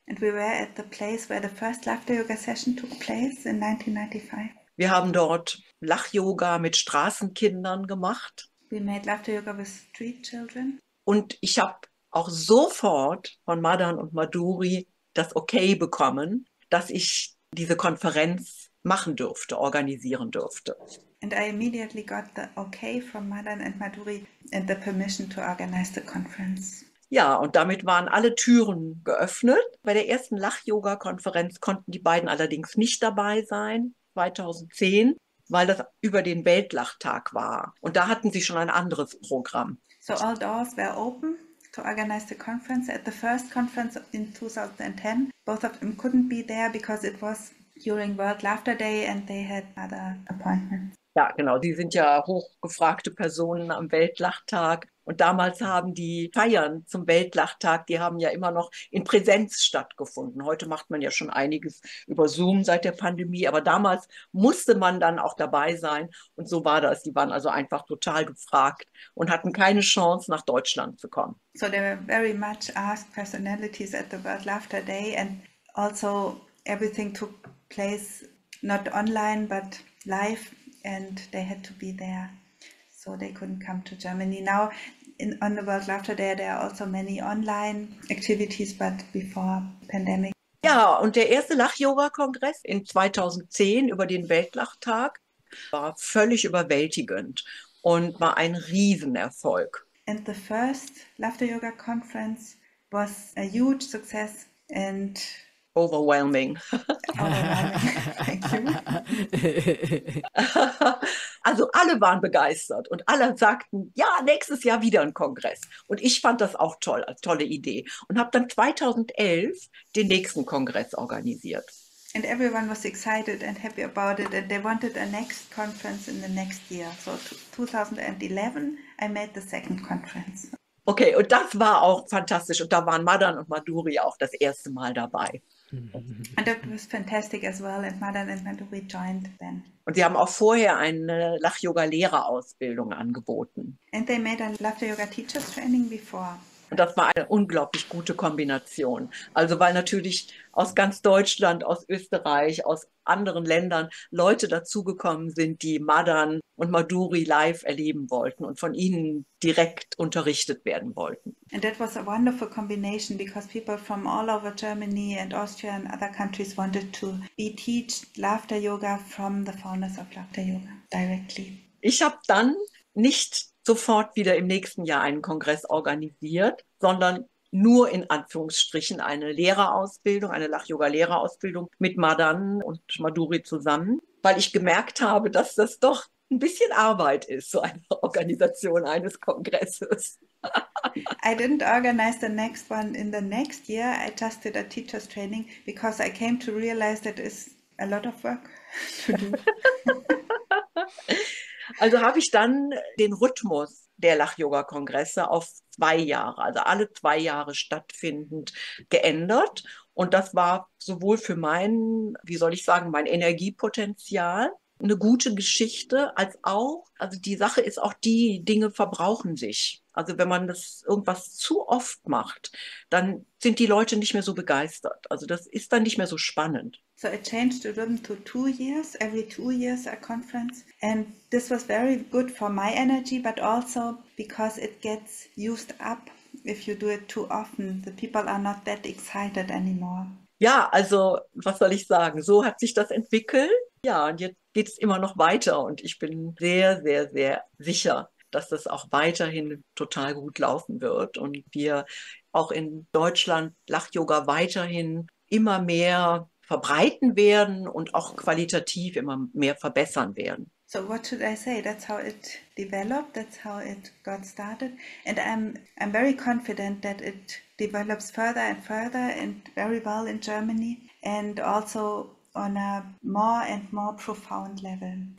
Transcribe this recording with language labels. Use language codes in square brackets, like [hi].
[en] And we were at the place where the first Lach-Yoga-Session took place in 1995. [de] Wir haben dort Lach-Yoga mit Straßenkindern gemacht. [en] We made Lach-Yoga with street children. [de] Und ich habe auch sofort von Madan und Madhuri das Okay bekommen, dass ich diese Konferenz machen durfte, organisieren durfte. [en] And I immediately got the okay from Madan and Madhuri and the permission to organize the conference. [de] Ja, und damit waren alle Türen geöffnet. Bei der ersten Lach-Yoga-Konferenz konnten die beiden allerdings nicht dabei sein, 2010, weil das über den Weltlachtag war. Und da hatten sie schon ein anderes Programm. [en] So all doors were open to organize the conference. At the first conference in 2010, both of them couldn't be there because it was during World Laughter Day and they had other appointments. [de] Ja, genau. Die sind ja hochgefragte Personen am Weltlachtag. Und damals haben die Feiern zum Weltlachtag, die haben ja immer noch in Präsenz stattgefunden. Heute macht man ja schon einiges über Zoom seit der Pandemie, aber damals musste man dann auch dabei sein. Und so war das. Die waren also einfach total gefragt und hatten keine Chance, nach Deutschland zu kommen. [en] So there were very much asked personalities at the World Laughter Day and also everything took place not online but live and they had to be there. So they couldn't come to Germany. Now, on the World Laughter Day, there are also many online activities, but before pandemic. [de] Ja, und der erste Lach-Yoga-Kongress in 2010 über den Weltlachtag war völlig überwältigend und war ein Riesenerfolg. [en] And the first Laughter Yoga Conference was a huge success and overwhelming. [de] Also alle waren begeistert und alle sagten, ja, nächstes Jahr wieder ein Kongress. Und ich fand das auch toll, eine tolle Idee. Und habe dann 2011 den nächsten Kongress organisiert. [en] And everyone was excited and happy about it and they wanted a next conference in the next year. So 2011, I made the second conference. [de] Okay, und das war auch fantastisch. Und da waren Madan und Madhuri auch das erste Mal dabei. [en] And it was fantastic as well and Madan and Madhuri joined then. [de] Und sie haben auch vorher eine Lach-Yoga-Lehrerausbildung angeboten. [en] And they made a Lach-Yoga-Teachers training before. [de] Und das war eine unglaublich gute Kombination. Also weil natürlich aus ganz Deutschland, aus Österreich, aus anderen Ländern Leute dazugekommen sind, die Madan und Madhuri live erleben wollten und von ihnen direkt unterrichtet werden wollten. [en] And that was a wonderful combination because people from all over Germany and Austria and other countries wanted to be taught Laughter Yoga from the founders of Laughter Yoga directly. [de] Ich habe dann nicht sofort wieder im nächsten Jahr einen Kongress organisiert, sondern nur in Anführungsstrichen eine Lehrerausbildung, eine Lach-Yoga-Lehrerausbildung mit Madan und Madhuri zusammen, weil ich gemerkt habe, dass das doch ein bisschen Arbeit ist, so eine Organisation eines Kongresses. [en] I didn't organize the next one in the next year. I just did a teacher's training because I came to realize that is a lot of work to do. [de] Also habe ich dann den Rhythmus der Lach-Yoga-Kongresse auf 2 Jahre, also alle 2 Jahre stattfindend, geändert. Und das war sowohl für mein, wie soll ich sagen, mein Energiepotenzial eine gute Geschichte, als auch, also die Sache ist auch, die Dinge verbrauchen sich. Also wenn man das irgendwas zu oft macht, dann sind die Leute nicht mehr so begeistert. Also das ist dann nicht mehr so spannend. [en] So I changed the rhythm to 2 years, every 2 years a conference. And this was very good for my energy, but also because it gets used up if you do it too often. The people are not that excited anymore. [de] Ja, also was soll ich sagen? So hat sich das entwickelt. Ja, und jetzt geht es immer noch weiter. Und ich bin sehr, sehr, sehr sicher, dass das auch weiterhin total gut laufen wird. Und wir auch in Deutschland Lach-Yoga weiterhin immer mehr verbreiten werden und auch qualitativ immer mehr verbessern werden. [en] So what should I say? That's how it developed. That's how it got started. And I'm very confident that it develops further and further and very well in Germany and also on a more and more profound level.